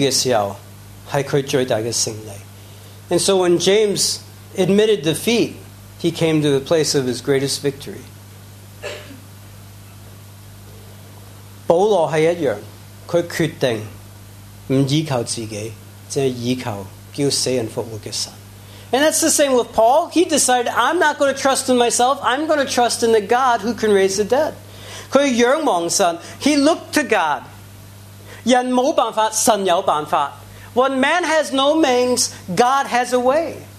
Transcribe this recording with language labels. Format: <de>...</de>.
<zh>雅各认输的时候是他最大的胜利。</zh> <en>And so when James admitted defeat, he came to the place of his greatest victory.</en> <zh>保罗是一样。他决定不依靠自己，只依靠叫死人复活的神。</zh> <en>And that's the same with Paul. He decided, I'm not going to trust in myself. I'm going to trust in the God who can raise the dead.</en> <zh>他仰望神,</zh> <en>he looked to God.</en> <zh>人没办法，神有办法。</zh> <en>When man has no means, God has a way.</en>